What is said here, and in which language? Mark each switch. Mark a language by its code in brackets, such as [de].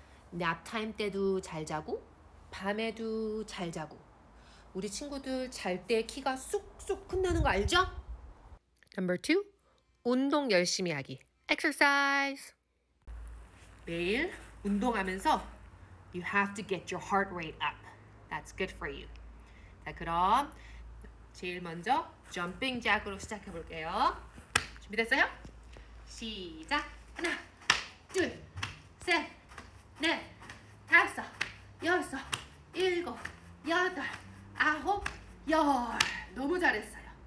[ko] 냅타임 때도 잘 자고 밤에도 잘 자고 우리 친구들 잘 때 키가 쑥쑥 큰다는 거 알죠? [en] Number two, [ko] 운동 열심히 하기. [en] Exercise. [ko] 매일 운동하면서 [en] You have to get your heart rate up. That's good for you. [ko] 자, 그럼 제일 먼저 jumping jack으로 시작해 볼게요. 준비됐어요? 시작! 하나, 둘, 셋, 넷, 다섯, 여섯, 일곱, 여덟, 아홉, 열. 너무 잘했어요.